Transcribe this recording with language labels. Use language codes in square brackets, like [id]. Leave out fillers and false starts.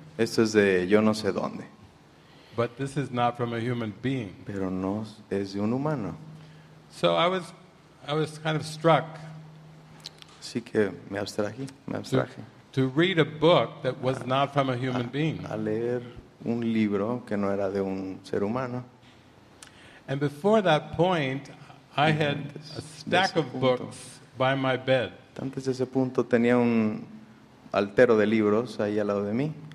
[es] Esto es de yo no sé dónde. [en] But this is not from a human being. [es] Pero no es de un humano. [en] So I was kind of struck. [es] Así que me abstraje. [en] To read a book that was not from a human being. [es] A leer un libro que no era de un ser humano. [en] And before that point, I had a stack of books by my bed. [es] Antes de ese punto tenía un altero de libros ahí al lado de mí.